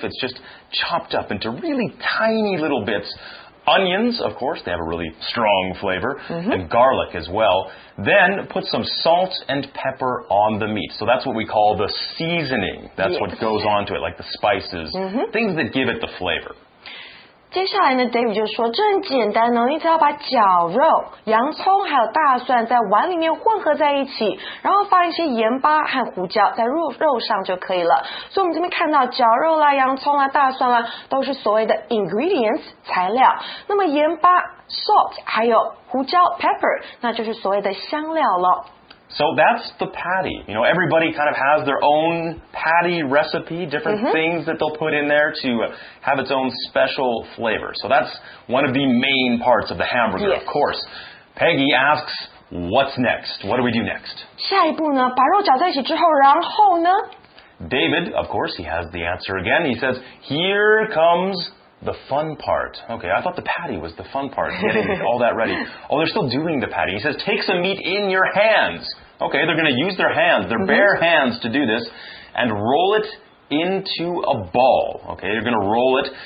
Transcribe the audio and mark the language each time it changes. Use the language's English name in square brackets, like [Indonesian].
[English] It's just chopped up into really tiny little bits. Onions, of course, they have a really strong flavor, and garlic as well. Then put some salt and pepper on the meat. So that's what we call the seasoning. That's what goes on to it, like the spices, things that give it the flavor. [Chinese] 接下来呢 ,David 就说这很简单哦，你只要把绞肉、洋葱还有大蒜在碗里面混合在一起，然后放一些盐巴和胡椒在肉上就可以了。所以我们这边看到绞肉啦、洋葱啦、大蒜啦都是所谓的 ingredients, 材料。那么盐巴 ,salt, 还有胡椒 ,pepper, 那就是所谓的香料了。 [English] So that's the patty. You know, everybody kind of has their own patty recipe, different things that they'll put in there to have its own special flavor. So that's one of the main parts of the hamburger, of course. Peggy asks, what's next? What do we do next? [Chinese] 下一步呢,把肉搅在一起之后,然后呢? [English] David, of course, he has the answer again. He says, here comes... The fun part. Okay, I thought the patty was the fun part, getting all that ready. Oh, they're still doing the patty. He says, take some meat in your hands. Okay, they're going to use their hands, their bare hands to do this, and roll it into a ball. Okay, you're going to roll it.